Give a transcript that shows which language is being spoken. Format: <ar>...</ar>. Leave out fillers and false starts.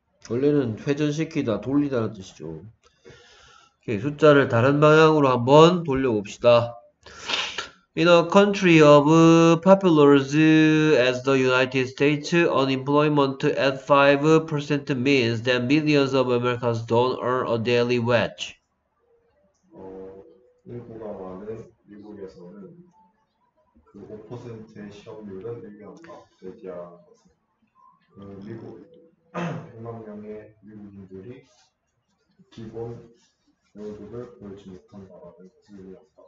<ko>원래는 회전시키다, 돌리다는 뜻이죠. 오케이, 숫자를 다른 방향으로 한번 돌려봅시다.</ko> <en>In a country of populace as the United States, unemployment at 5% means that millions of Americans don't earn a daily wage.</en> <ko>인구가 많은 미국에서는 그 5%의 실업률은 의미없다. 제지하는 것은 미국 100만 명의 미국인들이 기본 연금을 벌지 못한다라는 의미였다.</ko>